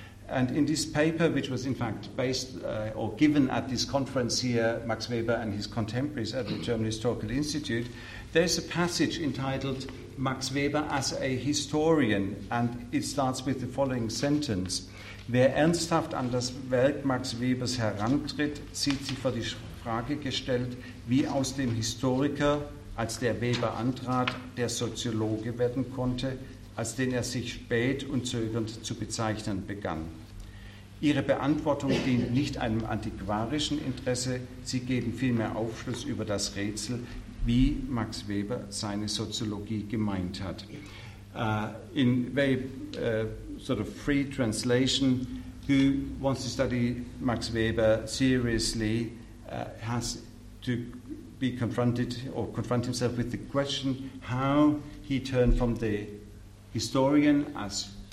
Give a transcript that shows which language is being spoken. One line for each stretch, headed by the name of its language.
English: And in this paper, which was in fact based or given at this conference here, Max Weber and his contemporaries at the German Historical Institute, there's a passage entitled Max Weber as a historian, and it starts with the following sentence.
German: Wer ernsthaft an das Werk Max Webers herantritt, sieht sich vor die Frage gestellt, wie aus dem Historiker, als der Weber antrat, der Soziologe werden konnte, als den er sich spät und zögernd zu bezeichnen begann. Ihre Beantwortung dient nicht einem antiquarischen Interesse, sie geben vielmehr Aufschluss über das Rätsel, wie Max Weber seine Soziologie gemeint hat.
English: In sort of free translation, who wants to study Max Weber seriously has to be confront himself with the question how he turned from the historian as